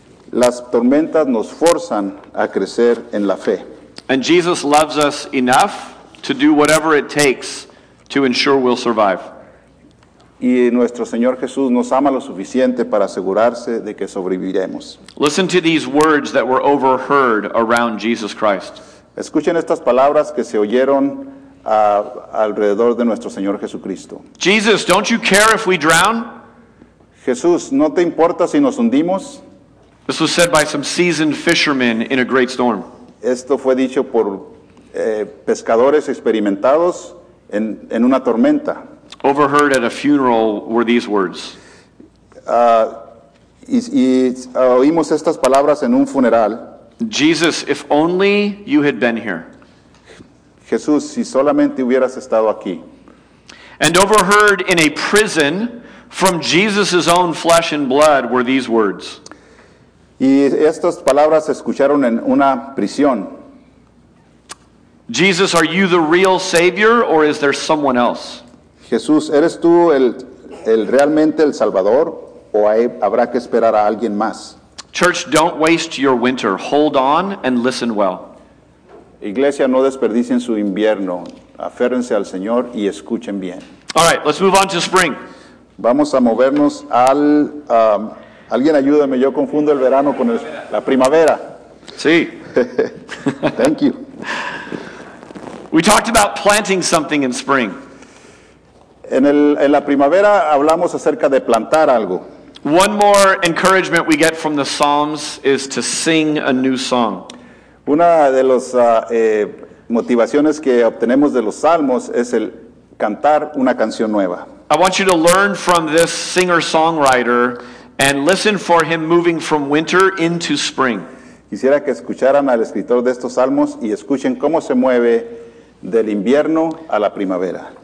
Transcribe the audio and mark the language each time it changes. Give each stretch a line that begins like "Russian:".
Spanish: Las tormentas nos forzan a crecer en la fe.
English: And Jesus loves us enough to do whatever it takes to ensure we'll survive.
Spanish: Y nuestro Señor Jesús nos ama lo suficiente para asegurarse de que sobreviviremos.
English: Listen to these words that were overheard around Jesus Christ.
Spanish: Escuchen estas palabras que se oyeron alrededor de nuestro Señor Jesucristo.
English: Jesus, don't you care if we drown?
Spanish: Jesús, ¿no te importa si nos hundimos?
English: This was said by some seasoned fishermen in a great storm.
Spanish: Esto fue dicho por pescadores experimentados en una tormenta.
English: Overheard at a funeral were these words.
Spanish: Oímos estas palabras en un funeral.
English: Jesus, if only you had been here.
Spanish: Jesús, si solamente hubieras estado aquí.
English: And overheard in a prison from Jesus' own flesh and blood were these words.
Spanish: Y estas palabras se escucharon en una prisión.
English: Jesus, are you the real Savior or is there someone else?
Spanish: Jesús, ¿eres tú el realmente el Salvador o habrá que esperar a alguien más?
English: Church, don't waste your winter. Hold on and listen well.
Spanish: Iglesia, no desperdicien su invierno. Aférrense al Señor y escuchen bien.
English: All right, let's move on to spring.
Spanish: Vamos a movernos al... alguien ayúdame, yo confundo el verano con la primavera. Sí.
English: Thank you. We talked about planting something in spring.
Spanish: En la primavera hablamos acerca de plantar algo.
English: One more encouragement we get from the Psalms is to sing a new song.
Spanish: Una de las motivaciones que obtenemos de los Salmos es el cantar una canción nueva.
English: I want you to learn from this singer-songwriter and listen for him moving from winter into spring.
Spanish: Quisiera que escucharan al escritor de estos Salmos y escuchen cómo se mueve del invierno a la primavera.